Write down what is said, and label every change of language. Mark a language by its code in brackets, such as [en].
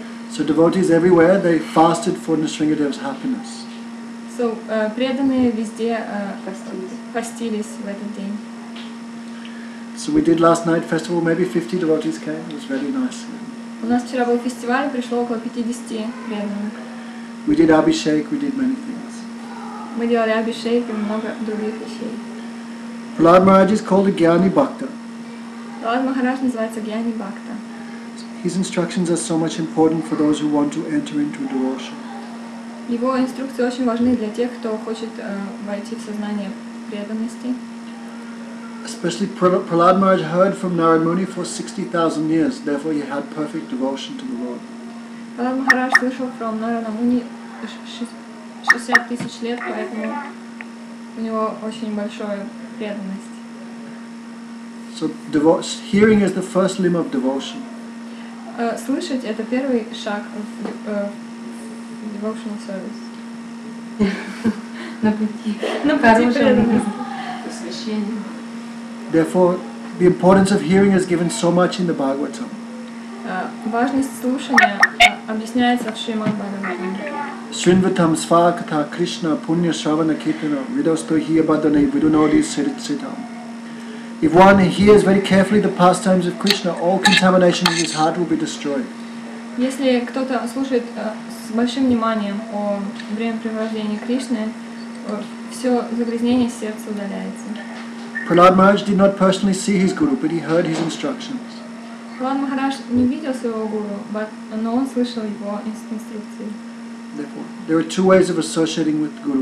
[en] So devotees everywhere, they fasted for Nrisingadev's happiness. [ru] So, преданные везде постились в этот день. [en] So we did last night festival, maybe 50 devotees came, it was very nice. [ru] У нас вчера был фестиваль, пришло около 50 преданных. [en] We did abhishek, we did many things. [ru] Мы делали abhishek и много других вещей. [en] Prahlad Maharaj is called a Gyani Bhakta. [ru] Prahlad Maharaj называется Gyani Bhakta. [en] His instructions are so much important for those who want to enter into devotion. [ru] Его инструкции очень важны для тех, кто хочет войти в сознание преданности. [en] Especially Prahlad Maharaj heard from Narad Muni for 60,000 years, therefore he had perfect devotion to the Lord. [ru] Prahlad Maharaj слышал [en] from [ru] Narada Muni 60,000 лет, поэтому у него очень большая преданность. [en] So hearing is the first limb of devotion. [ru] Слышать это первый шаг в [en] devotional service. [ru] На пути преданности. [en] Therefore, the importance of hearing is given so much in the Bhagavatam. [ru] Важность слушания объясняется в Шримад Бхагаватам. Шринватам сваката Кришна пунья шравана кетана видастохи абадане видунади сритситам. [en] If one hears very carefully the pastimes of Krishna, all contamination in his heart will be destroyed. [ru] Если кто-то слушает с большим вниманием о времяпрепровождении Кришны, все загрязнение сердца удаляется. [en] Prahlad Maharaj did not personally see his guru, but he heard his instructions. [ru] Prahlad Maharaj не видел своего гуру, но он слышал его инструкции. [en] Therefore, there are two ways of associating with Guru.